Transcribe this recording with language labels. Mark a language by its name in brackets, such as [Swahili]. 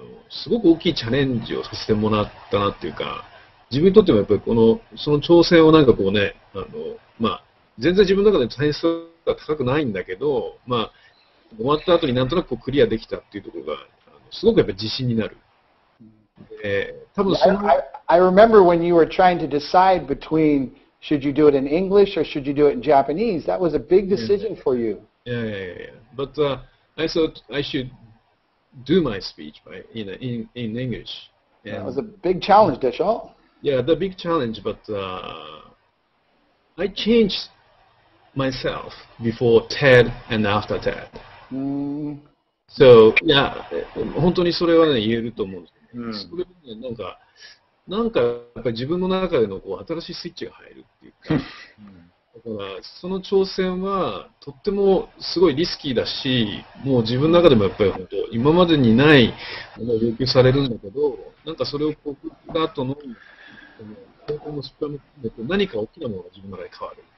[Japanese] すごく大きいチャレンジをさせてもらったなっていうか、自分にとってもやっぱりこのその挑戦をなんかこうね、まあ全然自分の中で点数が高くないんだけど、まあ終わった後になんとなくこうクリアできたっていうところがすごくやっぱり自信になる。多分その [English] I remember when you were trying to decide between should you do it in English or should you do it in Japanese. That was a big decision for you. Yeah. But I thought I should do my speech in English. And that was a big challenge, Deshaun. Yeah, the big challenge. But I changed myself before TED and after TED. So, yeah, [Japanese] 本当にそれは、ね、言えると思うんですけど、ね、なんかやっぱ自分の中でのこう新しいスイッチが入るっていうか、だからその挑戦はとってもすごいリスキーだし、もう自分の中でもやっぱり本当今までにないものを要求されるんだけど、なんかそれを送った後の成功も失敗も含めて何か大きなものが自分の中で変わる。